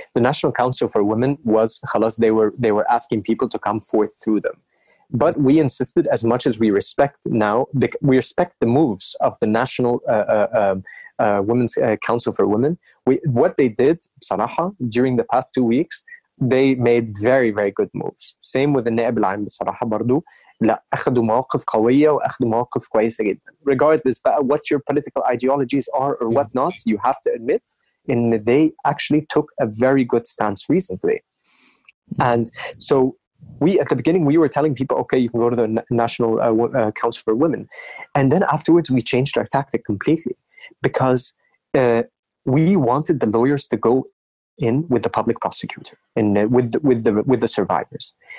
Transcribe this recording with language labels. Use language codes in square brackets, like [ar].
[en] The National Council for Women was, khalas, they were asking people to come forth through them. But we insisted, as much as we respect now, we respect the moves of the National Women's Council for Women. What they did, Saraha, during the past 2 weeks, they made very, very good moves. Same with the Naib al-Am, Saraha, Bardu. [ar] أخذوا موقف قوية وأخذوا موقف كويسة جدا. [en] Regardless of what your political ideologies are or whatnot, you have to admit that they actually took a very good stance recently. And so, at the beginning, we were telling people, okay, you can go to the National Council for Women. And then afterwards, we changed our tactic completely because we wanted the lawyers to go in with the public prosecutor and with the survivors.